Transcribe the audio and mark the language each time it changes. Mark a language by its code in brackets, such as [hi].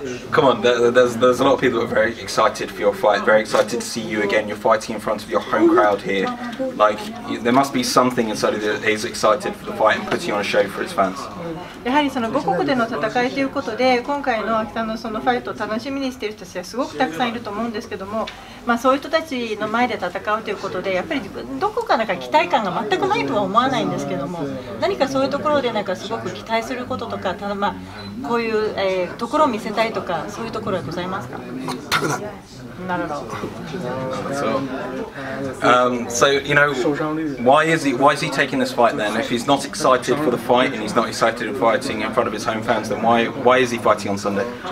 [en] Come on, there's a lot of people who are very excited for your fight, very excited to see you again. You're fighting in front of your home crowd here. Like, there must be something inside of you that is excited for the fight and putting on a show for its fans. [ja] やはりその母国での戦いということで今回の秋田のそのファイトを楽しみにしている人たちはすごくたくさんいると思うんですけども、まあ、そういう人たちの前で戦うということでやっぱりどこかなんか期待感が全くないとは思わないんですけども何かそういうところでなんかすごく期待することとかただまあこういう、ところを見せたいとかそういうところはございますか全くない [en] Not at all. So, you know, why is he taking this fight then? If he's not excited for the fight and he's not excited in fighting in front of his home fans, then why is he fighting on Sunday?